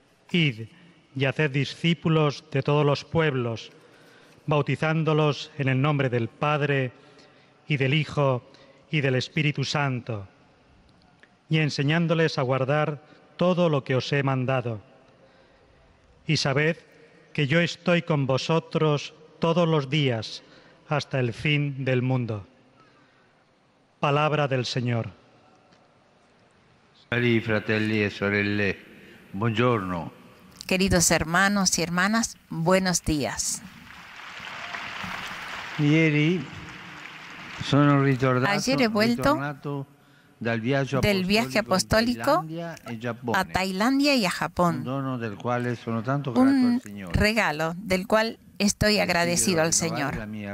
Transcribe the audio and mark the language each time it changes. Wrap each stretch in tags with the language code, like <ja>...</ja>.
<es>Id y haced discípulos de todos los pueblos, bautizándolos en el nombre del Padre y del Hijo y del Espíritu Santo, y enseñándoles a guardar todo lo que os he mandado. Y sabed que yo estoy con vosotros todos los días hasta el fin del mundo». Palabra del Señor.</es> <it>Cari fratelli e sorelle, buongiorno.</it> <es>Queridos hermanos y hermanas, buenos días.</es> <it>Ieri sono ritornato,</it> <es>ayer he vuelto del viaje apostólico a Tailandia y a Japón, un regalo del cual estoy agradecido al Señor.</es>